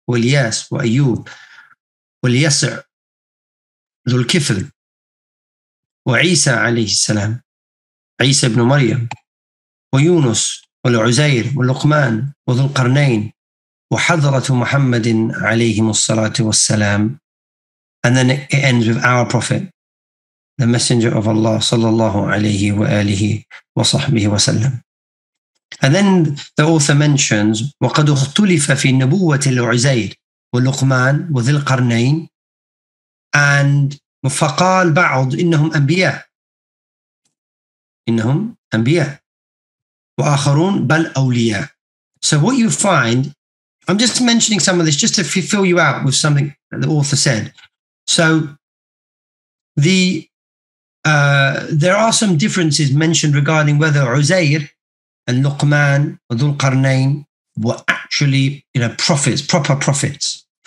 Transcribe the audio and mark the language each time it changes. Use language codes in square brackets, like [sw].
[ar] والياس وأيوب واليسع ذو الكفل وعيسى عليه السلام عيسى بن مريم ويونس والعزير واللقمان وذو القرنين وحضرة محمد عليه الصلاة والسلام. [en] And then it ends with our prophet, the messenger of Allah [ar] صلى الله عليه وآله وصحبه وسلم. [en] And then the author mentions [ar] وقد اختلف في نبوة العزير واللقمان وذو القرنين and فقال بعض إنهم أنبياء إنهم أنبياء وآخرون بل أولياء. [en] So what you find, I'm just mentioning some of this just to fill you out with something that the author said. So the there are some differences mentioned regarding whether Uzair and Luqman or Dhul Qarnayn were actually, you know, prophets, proper prophets.